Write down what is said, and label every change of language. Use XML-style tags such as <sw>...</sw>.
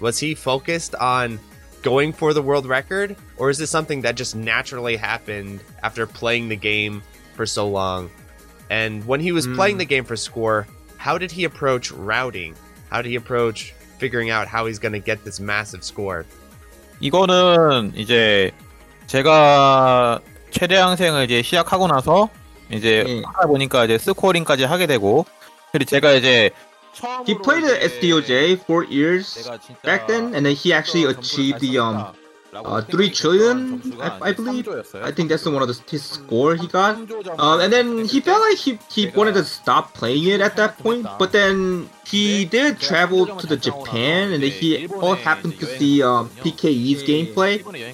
<en>Was he focused on going for the world record, or is this something that just naturally happened after playing the game for so long? And when he was playing the game for score, how did he approach routing? How did he approach figuring out how he's going to get this massive score?</en> <ko>이거는 이제 제가 최대항생을 이제 시작하고 나서 이제 하다 보니까 이제 스코어링까지 하게 되고 그리고 제가 이제</ko> <en>He played at SDOJ 4 years back then, and then he actually achieved the 3 trillion, I believe. I think that's one of the score he got. And then he felt like he wanted to stop playing it at that point, but then he did travel to the Japan, and then he all happened to see PKE's gameplay.</en>